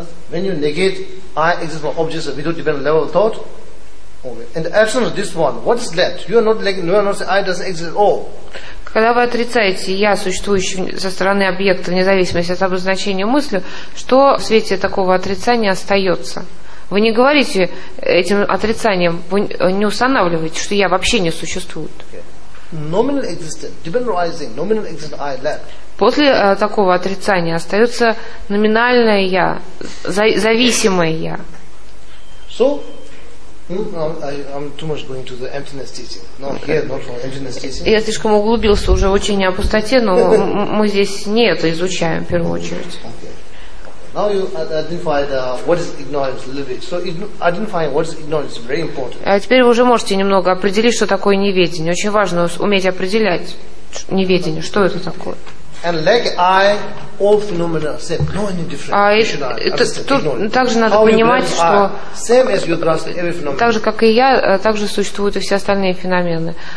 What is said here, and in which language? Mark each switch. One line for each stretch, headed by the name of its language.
English: When you negate I exist from objects that we don't depend on level of thought, in the absence of this one, what is left? You are not saying I doesn't exist at all.
Russian: Когда вы отрицаете «я», существующий со стороны объекта, вне зависимости от обозначения мысли, что в свете такого отрицания остается? Вы не говорите этим отрицанием, вы не устанавливаете, что «я» вообще не существует. После такого отрицания остается номинальное «я», зависимое «я».
English: So? I'm too much going to the emptiness teaching.
Russian: Я слишком углубился уже в учение о пустоте, но мы здесь не это изучаем в первую очередь.
English: Okay. Now you identify the what is ignorance a little bit. So identifying what is ignorance is very important.
Russian: А теперь вы уже можете немного определить, что такое неведение. Очень важно уметь определять неведение. Что это такое?
English: And leg, eye, all phenomena, same. No any difference.
Russian: Также надо понимать, что
English: same as you grasp every phenomenon.
Russian: Так же, как и я, также существуют и все остальные феномены.